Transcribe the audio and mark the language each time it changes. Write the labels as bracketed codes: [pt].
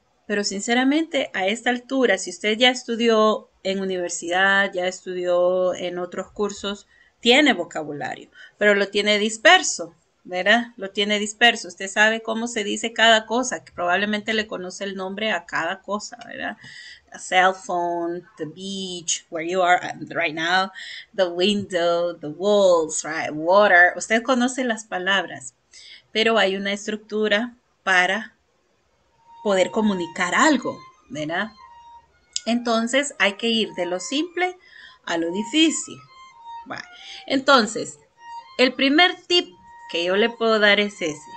[es] Pero sinceramente, a esta altura, si usted ya estudió en universidad, ya estudió en otros cursos, tiene vocabulario, pero lo tiene disperso, ¿verdad? Lo tiene disperso. Usted sabe cómo se dice cada cosa, que probablemente le conoce el nombre a cada cosa, ¿verdad? [en] A cell phone, the beach, where you are right now, the window, the walls, right, water. [es] Usted conoce las palabras, pero hay una estructura para poder comunicar algo, ¿verdad? Entonces, hay que ir de lo simple a lo difícil. Bueno, entonces, el primer tip que yo le puedo dar es ese.